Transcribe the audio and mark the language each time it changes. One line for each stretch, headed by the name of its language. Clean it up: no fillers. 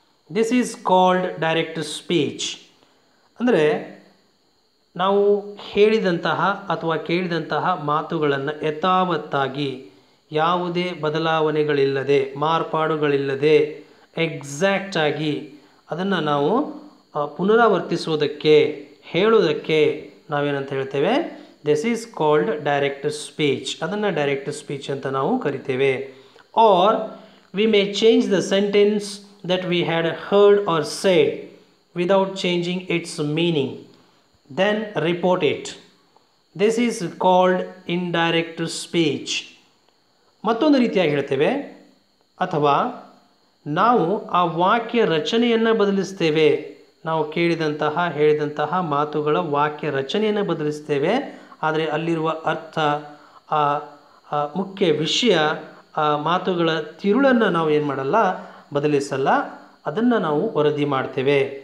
English: This is called direct speech.
Kannada: ಅಂದರೆ ನಾವು ಹೇಳಿದಂತಹ ಅಥವಾ ಕೇಳಿದಂತಹ ಮಾತುಗಳನ್ನು ಯಥಾವತ್ತಾಗಿ ಯಾವುದೇ ಬದಲಾವಣೆಗಳಿಲ್ಲದೆ ಮಾರ್ಪಾಡುಗಳಿಲ್ಲದೆ ಎಕ್ಸಾಕ್ಟಾಗಿ ಅದನ್ನು ನಾವು ಪುನರಾವರ್ತಿಸುವುದಕ್ಕೆ ಹೇಳುವುದಕ್ಕೆ ನಾವೇನಂತ ಹೇಳ್ತೇವೆ, this is called direct speech. ಅದನ್ನು ಡೈರೆಕ್ಟ್ ಸ್ಪೀಚ್ ಅಂತ ನಾವು ಕರಿತೇವೆ.
English: Or we may change the sentence that we had heard or said without changing its meaning. Then report it. This is called indirect speech.
Kannada: ಮತ್ತೊಂದು ರೀತಿಯಾಗಿ ಹೇಳ್ತೇವೆ ಅಥವಾ ನಾವು ಆ ವಾಕ್ಯ ರಚನೆಯನ್ನು ಬದಲಿಸ್ತೇವೆ. ನಾವು ಕೇಳಿದಂತಹ ಹೇಳಿದಂತಹ ಮಾತುಗಳ ವಾಕ್ಯ ರಚನೆಯನ್ನು ಬದಲಿಸ್ತೇವೆ, ಆದರೆ ಅಲ್ಲಿರುವ ಅರ್ಥ, ಆ ಮುಖ್ಯ ವಿಷಯ, ಆ ಮಾತುಗಳ ತಿರುಳನ್ನು ನಾವು ಏನು ಮಾಡಲ್ಲ, ಬದಲಿಸಲ್ಲ, ಅದನ್ನು ನಾವು ವರದಿ ಮಾಡ್ತೇವೆ.